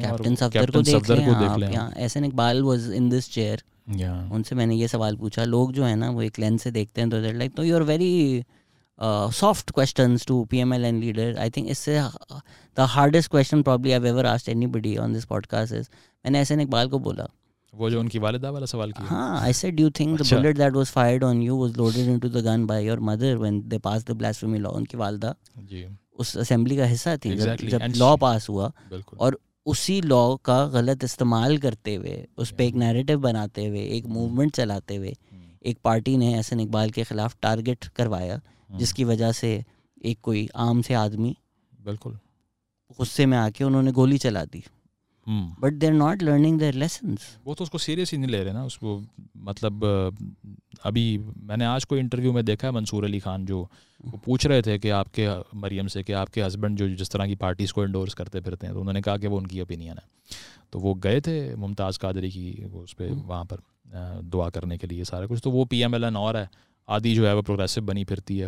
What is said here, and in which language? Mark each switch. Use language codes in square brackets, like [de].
[ur] Captain Safdar کو دیکھ لیں, S N Iqbal was in this chair, ان سے میں نے یہ سوال پوچھا, لوگ جو ہیں نا وہ ایک لینس سے دیکھتے ہیں تو دیئر لائک, تو you are very soft questions to P M L N leader. [en] I think this is the hardest question probably I ever asked anybody on this podcast is, میں نے S N Iqbal کو بولا, [ur] وہ جو ان کی والدہ والا سوال کیا, [en] ہاں I said do you think the bullet that was fired on you was loaded into the gun by your mother when they pass the blasphemy law. [ur] ان کی والدہ اس اسمبلی کا حصہ تھی جب لا پاس ہوا, اور اسی لا کا غلط استعمال کرتے ہوئے اس پہ ایک نیریٹو بناتے ہوئے ایک موومنٹ چلاتے ہوئے ایک پارٹی نے ایس این اقبال کے خلاف ٹارگیٹ کروایا, جس کی وجہ سے ایک کوئی عام سے آدمی بالکل غصے میں آ کے انہوں نے گولی چلا دی. [en] but they are not learning their lessons, [ur] وہ تو اس کو سیریس ہی نہیں لے رہے نا اس کو, مطلب ابھی میں نے آج کوئی انٹرویو میں دیکھا ہے منصور علی خان جو پوچھ رہے تھے کہ آپ کے مریم سے کہ آپ کے ہسبینڈ جو جس طرح کی پارٹیز کو انڈورس کرتے پھرتے ہیں, تو انہوں نے کہا کہ وہ ان کی اوپینین ہے, تو وہ گئے تھے ممتاز قادری کی اس پہ وہاں پر دعا کرنے کے لیے سارا کچھ, تو وہ پی ایم ایل این اور ہے آدھی جو ہے وہ پروگریسو بنی پھرتی ہے.